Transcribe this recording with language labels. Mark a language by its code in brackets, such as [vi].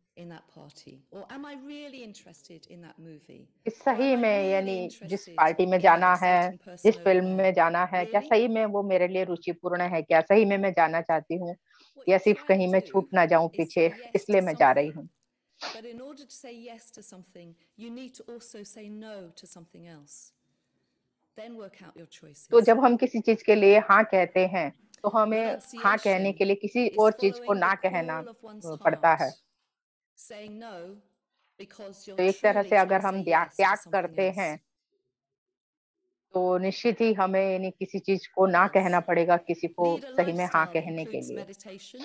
[hi] इस सही में यानी जिस पार्टी में जाना है, जिस फिल्म में जाना है, क्या सही में वो मेरे लिए रुचिपूर्ण है? क्या सही में मैं जाना चाहती हूँ या सिर्फ कहीं मैं छूट ना जाऊं पीछे इसलिए मैं जा रही हूँ? [en] But in order to say yes to something, you need to also say no to something else. Then work out your choices. [hi] तो जब हम किसी चीज के लिए हाँ कहते हैं, तो हमें हाँ कहने के लिए किसी और चीज को ना कहना पड़ता है. [en] Saying no because you're. [hi] तो एक तरह से अगर हम त्याग करते हैं, तो निश्चित ही हमें यानी किसी चीज को ना कहना पड़ेगा किसी को सही में हाँ कहने के लिए.